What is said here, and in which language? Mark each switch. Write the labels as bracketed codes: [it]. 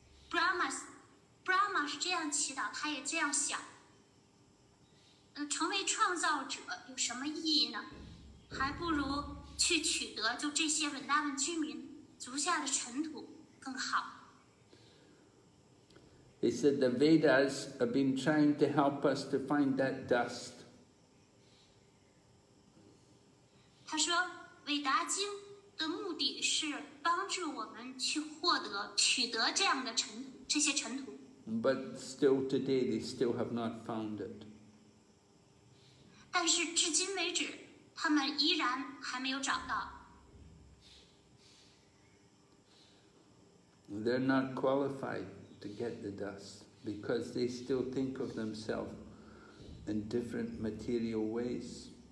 [zh] Brahma is 这样祈祷，他也这样想。成为创造者有什么意义呢？还不如去取得就这些 Vrindavan 居民足下的尘土更好。 [en] He said the Vedas have been trying to help us to find that dust. [zh] 他说，伟达经的目的是帮助我们去获得、取得这样的尘这些尘土。 [en] But still today, they still have not found it. [zh] 但是至今为止，他们依然还没有找到。 [en] They're not qualified to get the dust, because they still think of themselves in different material ways.